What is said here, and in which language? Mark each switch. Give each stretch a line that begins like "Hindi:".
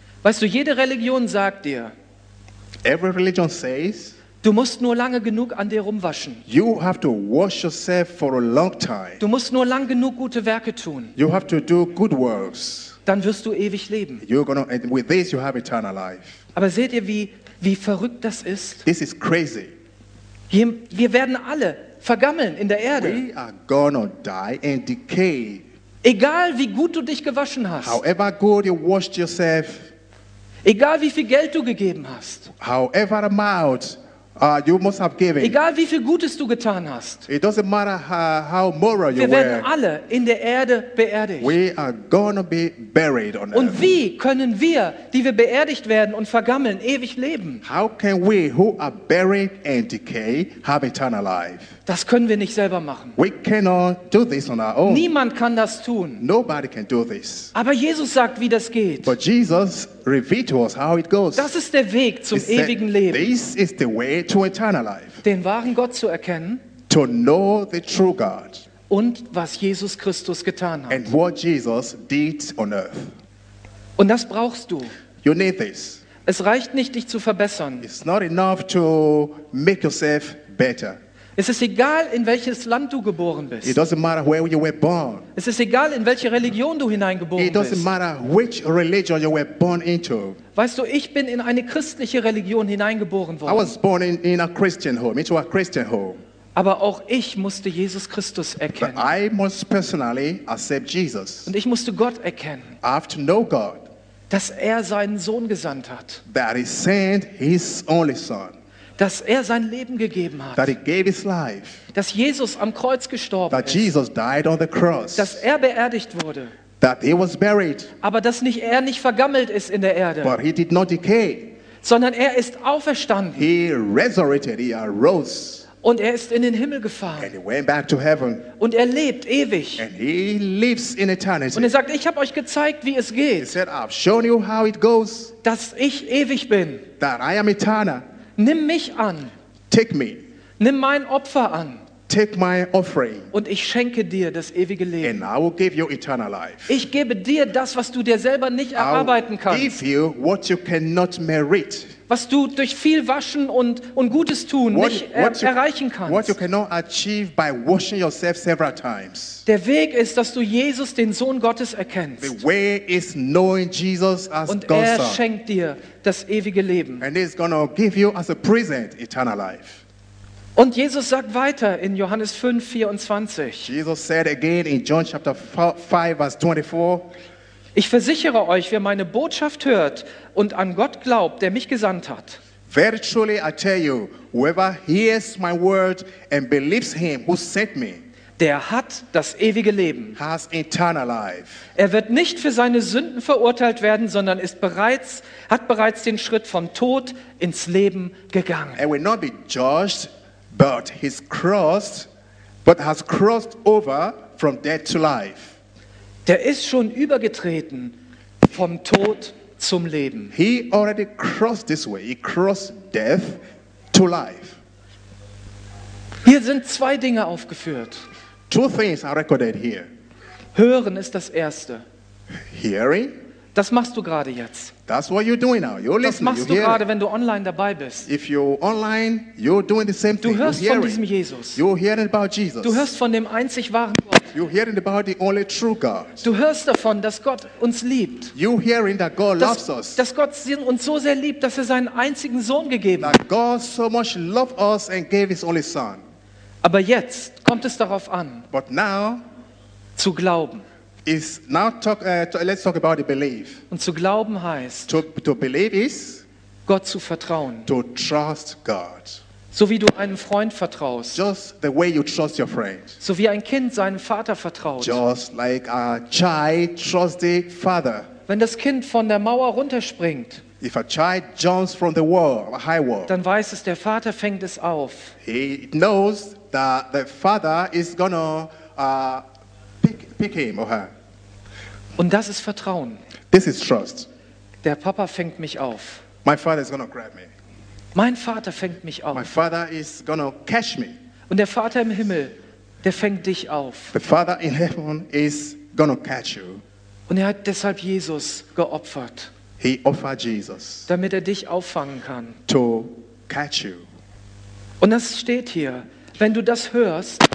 German: Weißt du, jede Religion sagt dir,
English: every religion says,
German: du musst nur lange genug an dir rumwaschen.
English: You have to wash yourself for a long time.
German: Du musst nur lang genug gute Werke tun.
English: You have to do good works.
German: Dann wirst du ewig leben.
English: You're gonna, and with this you have eternal life.
German: Aber seht ihr, wie verrückt das ist?
English: This is crazy.
German: Wir werden alle vergammeln in der Erde.
English: We are gonna die and decay.
German: Egal wie gut du dich gewaschen hast.
English: However good you washed yourself.
German: Egal wie viel Geld du gegeben hast.
English: However amount you must have given.
German: Egal wie viel Gutes du getan hast.
English: It doesn't matter how moral you were.
German: Wir werden alle in der Erde beerdigt.
English: We are gonna be buried on earth.
German: Und wie können wir, die wir beerdigt werden und vergammeln, ewig leben?
English: How can we who are buried and decay have eternal life?
German: Das können wir nicht selber machen.
English: We cannot do this on our own.
German: Niemand kann das tun.
English: Nobody can do this.
German: Aber Jesus sagt, wie das geht.
English: But Jesus revealed to us how it goes.
German: Das ist der Weg zum ewigen Leben.
English: This is the way to eternal life.
German: Den wahren Gott zu erkennen.
English: To know the true God.
German: Und was Jesus Christus getan hat.
English: And what Jesus did on earth.
German: Und das brauchst du.
English: You need this.
German: Es reicht nicht, dich zu verbessern.
English: It's not enough to make yourself better.
German: Es ist egal, in welches Land du geboren bist.
English: It doesn't matter where you were born.
German: Es ist egal, in welche Religion du hineingeboren bist.
English: It doesn't matter which religion you were born into.
German: Weißt du, ich bin in eine christliche Religion hineingeboren worden.
English: I was born in a Christian home, into a Christian home.
German: Aber auch ich musste Jesus Christus erkennen.
English: But I must personally accept Jesus.
German: Und ich musste Gott erkennen.
English: I have to know God.
German: Dass er seinen Sohn gesandt hat.
English: That he sent his only son.
German: Dass er sein Leben gegeben hat.
English: That he gave his life.
German: Dass Jesus am Kreuz gestorben
English: that
German: ist.
English: Jesus died on the cross.
German: Dass er beerdigt wurde.
English: That he was buried.
German: Aber dass er nicht vergammelt ist in der Erde.
English: But he did not decay.
German: Sondern er ist auferstanden.
English: He resurrected, he arose.
German: Und er ist in den Himmel gefahren.
English: And he went back to heaven.
German: Und er lebt ewig.
English: And he lives in eternity.
German: Und er sagt, ich habe euch gezeigt, wie es geht.
English: He said, I've shown you how it goes.
German: Dass ich ewig bin.
English: That I am eternal.
German: Nimm mich an.
English: Take me.
German: Nimm mein Opfer an.
English: Take my offering.
German: Und ich schenke dir das ewige Leben.
English: And I will give you eternal life.
German: Ich gebe dir das, was du dir selber nicht erarbeiten kannst.
English: I'll give you what you cannot merit.
German: Was du durch viel Waschen und Gutes tun erreichen kannst.
English: What you cannot achieve by washing yourself several times.
German: Der Weg ist, dass du Jesus, den Sohn Gottes, erkennst.
English: The way is knowing Jesus as
German: und
English: God's
German: er
English: Son.
German: Schenkt dir das ewige Leben.
English: And he's gonna give you as a present eternal life.
German: Und Jesus sagt weiter in Johannes 5, 24.
English: Jesus said again in John chapter 5, verse 24.
German: Ich versichere euch, wer meine Botschaft hört und an Gott glaubt, der mich gesandt hat.
English: Very truly I tell you, whoever hears my word and believes him who sent me,
German: der hat das ewige Leben.
English: Has eternal life.
German: Er wird nicht für seine Sünden verurteilt werden, sondern hat bereits den Schritt vom Tod ins Leben gegangen.
English: And will not be judged, but has crossed over from death to life.
German: Der ist schon übergetreten vom Tod zum Leben.
English: He already crossed this way. He crossed death to life.
German: Hier sind zwei Dinge aufgeführt.
English: Two things are recorded here.
German: Hören ist das erste.
English: Hearing.
German: Das machst du gerade jetzt.
English: That's what you're doing now. You're listening.
German: Das machst
English: you're
German: du gerade, wenn du online dabei bist.
English: If you're online, you're doing the same
German: du
English: thing.
German: Du hörst von diesem Jesus.
English: You're hearing about Jesus.
German: Du hörst von dem einzig wahren Gott.
English: You're hearing about the only true God.
German: Du hörst davon, dass Gott uns liebt.
English: You're hearing that God loves us.
German: Dass Gott uns so sehr liebt, dass er seinen einzigen Sohn gegeben hat.
English: That God so much loved us and gave his only son.
German: Aber jetzt kommt es darauf an,
English: but now,
German: zu glauben.
English: Is now talk. Let's talk about the belief.
German: Und zu glauben heißt.
English: To believe is.
German: Gott zu vertrauen.
English: To trust God.
German: So wie du einem Freund vertraust.
English: Just the way you trust your friend.
German: So wie ein Kind seinem Vater vertraut.
English: Just like a child trusts the father.
German: Wenn das Kind von der Mauer runterspringt.
English: If a child jumps from the wall, a high wall.
German: Dann weiß es, der Vater fängt es auf.
English: He knows that the father is gonna. Pick him or her.
German: Und das ist Vertrauen.
English: This is trust.
German: Der Papa fängt mich auf.
English: My father is gonna grab me.
German: Mein Vater fängt mich auf.
English: My father is gonna catch me.
German: Und der Vater im Himmel, der fängt dich auf.
English: The father in heaven is gonna catch you.
German: Und er hat deshalb Jesus geopfert.
English: He offered Jesus.
German: Damit er dich auffangen kann.
English: To catch you.
German: Und das steht hier, wenn du das hörst.